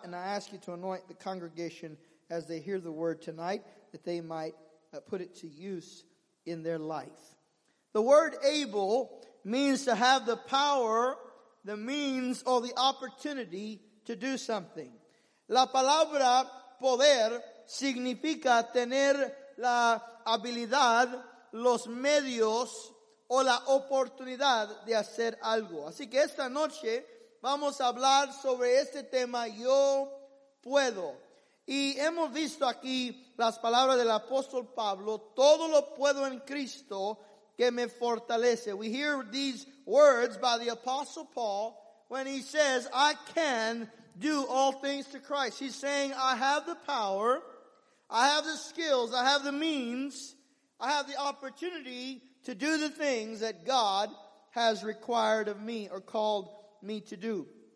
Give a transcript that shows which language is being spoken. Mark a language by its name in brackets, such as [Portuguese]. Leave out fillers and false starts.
[English] And I ask you to anoint the congregation as they hear the word tonight, that they might put it to use in their life. The word able means to have the power, the means, or the opportunity to do something. [Spanish] La palabra poder significa tener la habilidad, los medios, o la oportunidad de hacer algo. Así que esta noche vamos a hablar sobre este tema, yo puedo. Y hemos visto aquí las palabras del apóstol Pablo, todo lo puedo en Cristo que me fortalece. [English] We hear these words by the apostle Paul when he says, I can do all things to Christ. He's saying, I have the power, I have the skills, I have the means, I have the opportunity to do the things that God has required of me or called me to do.